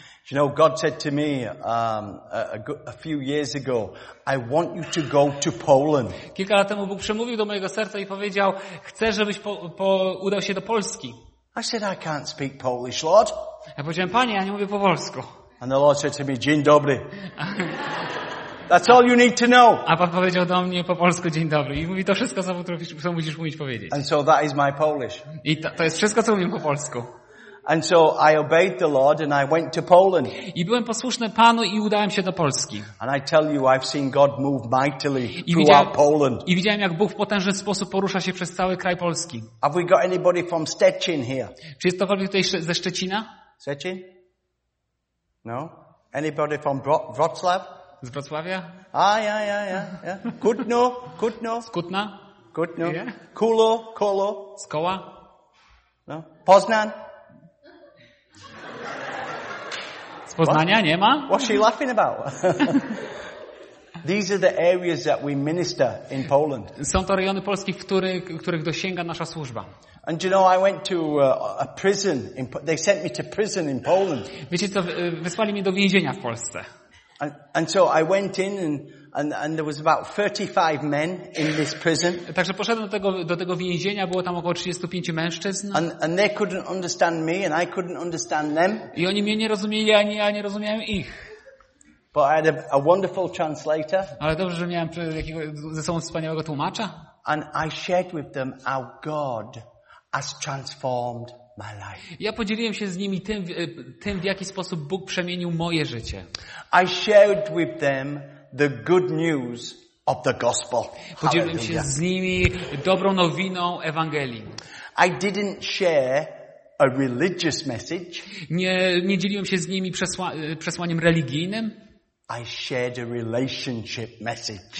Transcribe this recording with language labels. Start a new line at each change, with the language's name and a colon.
English: You know, God said to me a few years ago, I want you to go to Poland.
Polish: Kilka lat temu Bóg przemówił do mojego serca i powiedział, chcę, żebyś udał się do Polski.
English: I said, I can't speak Polish, Lord.
Polish: Ja powiedziałem, Panie, ja nie mówię po polsku.
English: And the Lord said to me,
Polish: dzień dobry.
English: That's all you need to know.
Polish: A Pan powiedział do mnie po polsku, dzień dobry. I mówi, to wszystko, co musisz mówić, powiedzieć.
English: And so that is my Polish.
Polish: I to jest wszystko, co mówię po polsku.
English: And so I obeyed the Lord and I went to Poland.
Polish: I byłem posłuszny Panu i udałem się do Polski.
English: And I tell you, I've seen God move mightily throughout Poland.
Polish: I widziałem, jak Bóg w potężny sposób porusza się przez cały kraj Polski.
English: Have we got anybody from Szczecin here?
Polish: Czy jest ktokolwiek tutaj ze Szczecina?
English: Szczecin? No? Anybody from Wrocław?
Polish: Z Wrocławia?
English: Yeah. Kutno?
Polish: Z Kutna?
English: Kutno. Yeah. Kolo?
Polish: Z Koła?
English: No? Poznan?
Polish: Poznania nie ma?
English: What's she laughing about? These are the areas that we minister in Poland.
Polish: Są to rejony Polski, których dosięga nasza służba.
English: And you know, I went to a prison. They sent me to prison in Poland.
Polish: Wiecie co, wysłali mnie do więzienia w Polsce.
English: And so I went in and there was about 35 men in this prison.
Polish: Także poszedłem do tego więzienia, było tam około 35 mężczyzn.
English: And they couldn't understand me and I couldn't understand them.
Polish: I oni mnie nie rozumieli, ani ja nie rozumiałem ich.
English: But I had a wonderful translator.
Polish: Ale dobrze, że miałem ze sobą wspaniałego tłumacza.
English: And I shared with them how God has transformed my life.
Polish: Ja podzieliłem się z nimi tym, w jaki sposób Bóg przemienił moje życie.
English: I shared with them the good news of the gospel.
Polish: Podzieliłem się z nimi dobrą nowiną Ewangelii.
English: I didn't share a religious message.
Polish: Nie dzieliłem się z nimi przesłaniem religijnym.
English: I shared a relationship message.